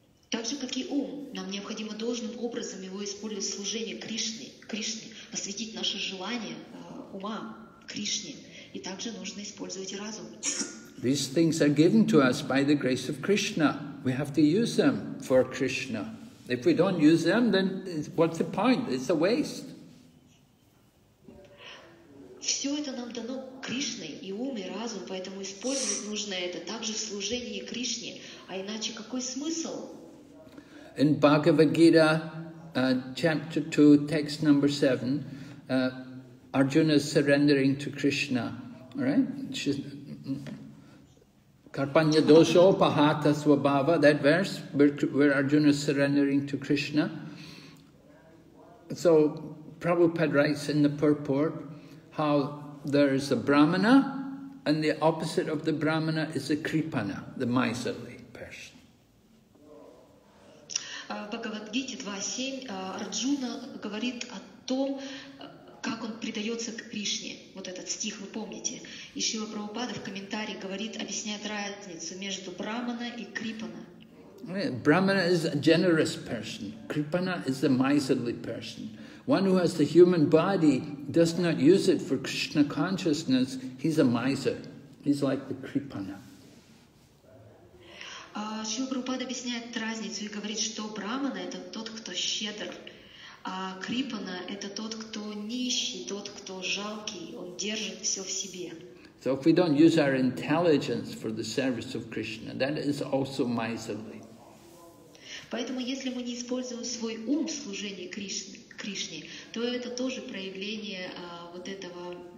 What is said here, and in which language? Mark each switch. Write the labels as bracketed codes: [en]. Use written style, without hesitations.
[ru] Так же, как и ум, нам необходимо должным образом его использовать в служении Кришне, посвятить наше желание ума Кришне, и также нужно использовать разум. [en] These things are given to us by the grace of Krishna. We have to use them for Krishna. If we don't use them, then what's the point? It's a waste. [ru] Все это нам дано Кришной, и ум, и разум, поэтому использовать нужно это также в служении Кришне, а иначе какой смысл? [en] In Bhagavad Gita, chapter 2, text number 7, Arjuna is surrendering to Krishna, right? [sa] Karpanya dosho pahata svabhava, [en] that verse where Arjuna is surrendering to Krishna. So Prabhupada writes in the purport how there is a brahmana and the opposite of the brahmana is a kripana, the miserly person. [ru] Bhagavad Gita 2.7, Arjuna говорит о том, как он предается к Кришне. Вот этот стих вы помните. И Шрила Прабхупада в комментарии говорит, объясняет разницу между брахмана и крипана. [en] Brahmana is a generous person. Kripana is a miserly person. One who has the human body does not use it for Krishna consciousness. He's a miser. He's like the kripana. [ru] Шрила Прабхупада объясняет разницу и говорит, что брахмана — это тот, кто щедр, а крипана — это тот, кто нищий, тот, кто жалкий, он держит все в себе. [en] So if we don't use our intelligence for the service of Krishna, that is also miserly. [ru] Поэтому если мы не используем свой ум в служении Кришне, то это тоже проявление вот этого